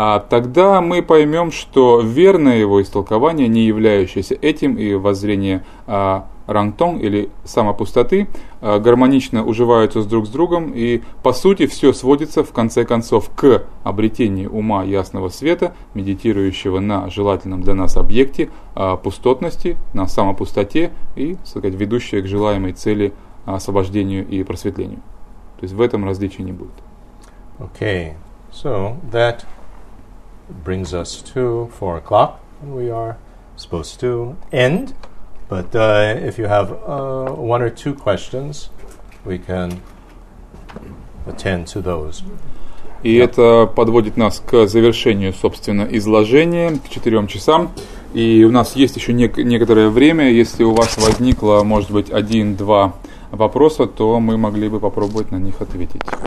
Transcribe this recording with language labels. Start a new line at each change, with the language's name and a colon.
Russian: тогда мы поймем, что верное его истолкование, не являющееся этим, и воззрение Рантон или самопустоты гармонично уживаются с друг с другом, и по сути все сводится в конце концов к обретению ума ясного света, медитирующего на желательном для нас объекте пустотности, на самопустоте и, так сказать, ведущее к желаемой цели освобождению и просветлению. То есть в этом различия не будет.
English: Okay, so that brings us to 4 o'clock, and we are supposed to end. But if you have one or two questions, we can attend to those.
Russian: И это подводит нас к завершению, собственно, изложения, к 4 часам. И у нас есть еще некоторое время. Если у вас возникло, может быть, 1-2 вопроса, то мы могли бы попробовать на них ответить.